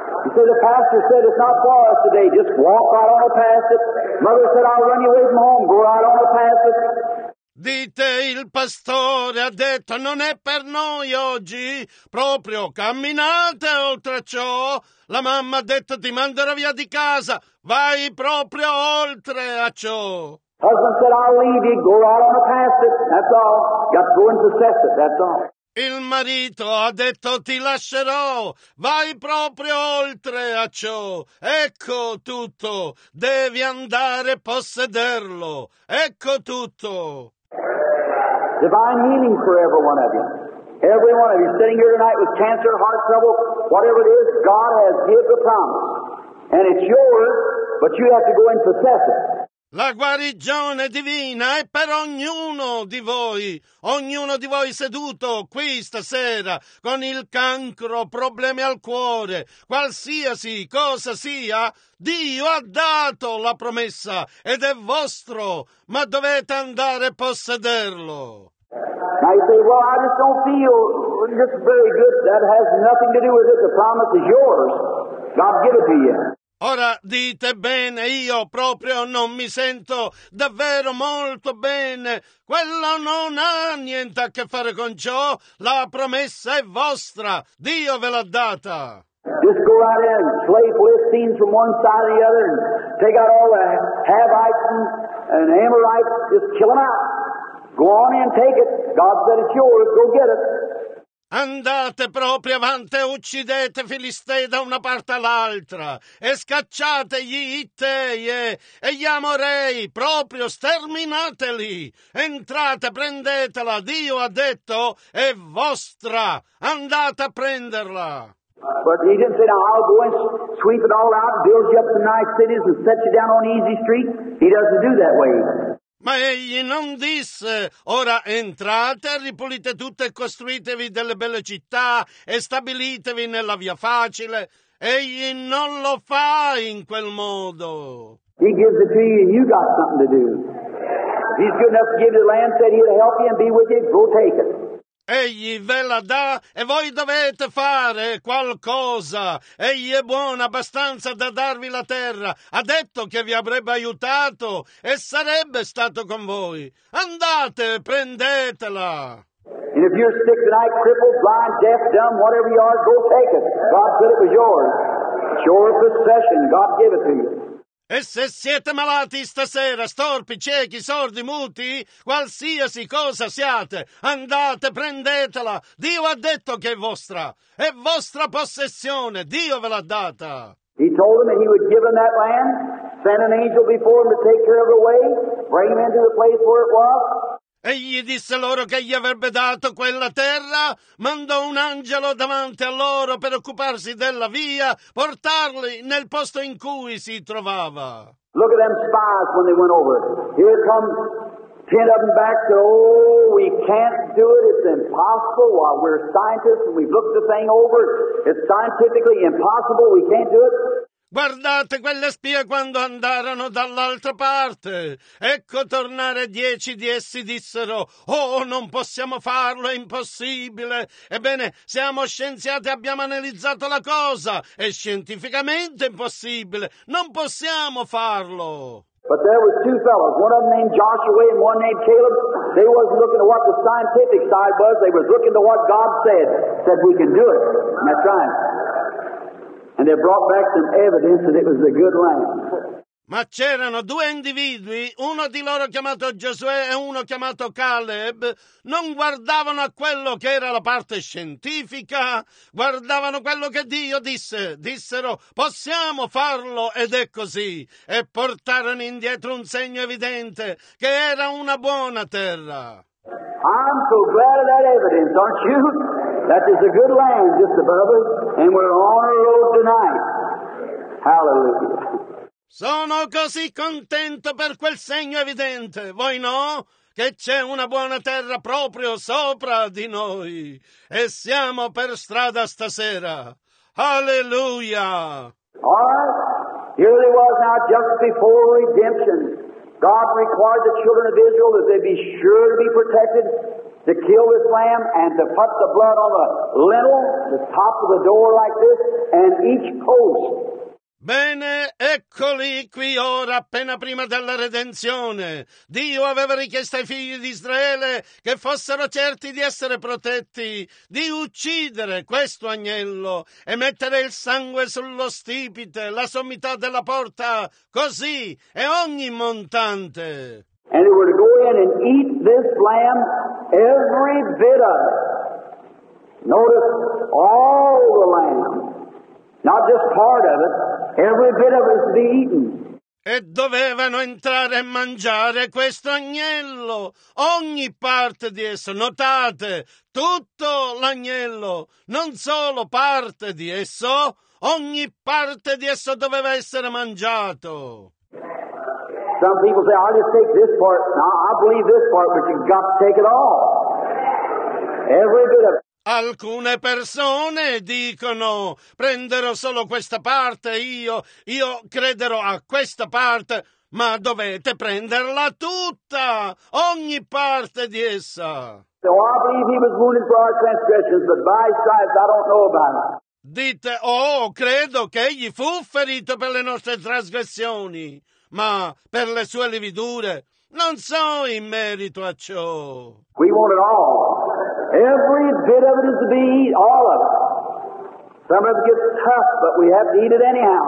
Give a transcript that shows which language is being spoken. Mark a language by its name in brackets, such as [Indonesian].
[English] So the pastor said, it's not for us today, just walk right on the passage. Mother said, I'll run you away from home, go right on the passage. [Italian] Dite, il pastore ha detto, non è per noi oggi, proprio camminate oltre ciò. La mamma ha detto, ti manderò via di casa, vai proprio oltre a ciò. [English] Husband said, I'll leave you, go right on the passage, that's all. Got to go and possess it, that's all. [Italian] Il marito ha detto, ti lascerò, vai proprio oltre a ciò. Ecco tutto, devi andare a possederlo, ecco tutto. [English] Divine healing for every one of you. Every one of you sitting here tonight with cancer, heart trouble, whatever it is, God has given the promise. And it's yours, but you have to go and possess it. [Italian] La guarigione divina è per ognuno di voi seduto qui stasera con il cancro, problemi al cuore, qualsiasi cosa sia, Dio ha dato la promessa ed è vostro, ma dovete andare a possederlo. [English] Now you say, well, I just don't feel just very good. That has nothing to do with it. The promise is yours. God give it to you. [Italian] Ora dite bene, io proprio non mi sento davvero molto bene. Quello non ha niente a che fare con ciò. La promessa è vostra. Dio ve l'ha data. [English] Just go right in, play Philistines from one side to the other, and take out all the Havites and Amorites, just kill them out. Go on in, take it. God said it's yours, go get it. [Italian] Andate proprio avanti e uccidete Filistei da una parte all'altra, e scacciate gli Ittei e gli Amorei, proprio sterminateli. Entrate, prendetela, Dio ha detto, è vostra. Andate a prenderla. [English] But he didn't say, now I'll go and sweep it all out, build you up some nice cities and set you down on easy streets. He doesn't do that way. [Italian] Ma egli non disse, ora entrate, ripulite tutto e costruitevi delle belle città e stabilitevi nella via facile. Egli non lo fa in quel modo. [English] He gives it to you and you got something to do. He's good enough to give you the land, said he'll help you and be with you, go take it. [Italian] Egli ve la dà e voi dovete fare qualcosa. Egli è buono abbastanza da darvi la terra. Ha detto che vi avrebbe aiutato e sarebbe stato con voi. Andate, prendetela. [English] And if you're sick tonight, crippled, blind, deaf, dumb, whatever you are, go take it. God said it was yours. It's your possession. God gave it to you. [Italian] E se siete malati stasera, storpi, ciechi, sordi, muti, qualsiasi cosa siate, andate, prendetela. Dio ha detto che è vostra possessione, Dio ve l'ha data. [English] He told them that he would give them that land, send an angel before him to take care of the way, bring them into the place where it was. [Italian] Egli disse loro che gli avrebbe dato quella terra, mandò un angelo davanti a loro per occuparsi della via, portarli nel posto in cui si trovava. [English] Look at them spies when they went over. Here come 10 of them back. Oh, we can't do it. It's impossible. While we're scientists and we've looked the thing over, it's scientifically impossible. We can't do it. [Italian] Guardate quelle spie quando andarono dall'altra parte. Ecco tornare 10 di essi dissero, oh, non possiamo farlo, è impossibile. Ebbene, siamo scienziati, abbiamo analizzato la cosa. È scientificamente impossibile. Non possiamo farlo. [English] But there were two fellows, one of them named Joshua and one named Caleb. They wasn't looking at what the scientific side was. They were looking to what God said. Said we can do it. And that's right. And they brought back some evidence that it was a good land. [Italian] Ma c'erano due individui, uno di loro chiamato Giosuè e uno chiamato Caleb, non guardavano a quello che era la parte scientifica, guardavano quello che Dio disse. Dissero, possiamo farlo, ed è così. E portarono indietro un segno evidente, che era una buona terra. [English] I'm so glad of that evidence, aren't you? That is a good land, just above us, and we're on a road tonight. Hallelujah. [Italian] Sono così contento per quel segno evidente. Voi no? Che c'è una buona terra proprio sopra di noi. E siamo per strada stasera. Hallelujah. [English] All right. Here it was now just before redemption. God required the children of Israel that they be sure to be protected, to kill this lamb and to put the blood on the lintel, the top of the door like this, and each post. [Italian] Bene, eccoli qui ora, appena prima della redenzione. Dio aveva richiesto ai figli di Israele che fossero certi di essere protetti, di uccidere questo agnello e mettere il sangue sullo stipite, la sommità della porta, così, e ogni montante. [English] And they were to go in and eat this lamb, every bit of it. Notice all the lamb, not just part of it, every bit of it to be eaten. [Italian] E dovevano entrare e mangiare questo agnello, ogni parte di esso. Notate, tutto l'agnello, non solo parte di esso, ogni parte di esso doveva essere mangiato. [English] Some people say, I'll just take this part. No, I believe this part, but you've got to take it all. Every bit of it. [Italian] Alcune persone dicono, prenderò solo questa parte, io crederò a questa parte, ma dovete prenderla tutta, ogni parte di essa. [English] So I believe he was wounded for our transgressions, but by stripes I don't know about it. [Italian] Dite, oh, credo che egli fu ferito per le nostre trasgressioni, ma per le sue lividure non so in merito a ciò. [English] We want it all. Every bit of it is to be eaten, all of it. Some of it gets tough, but we have to eat it anyhow.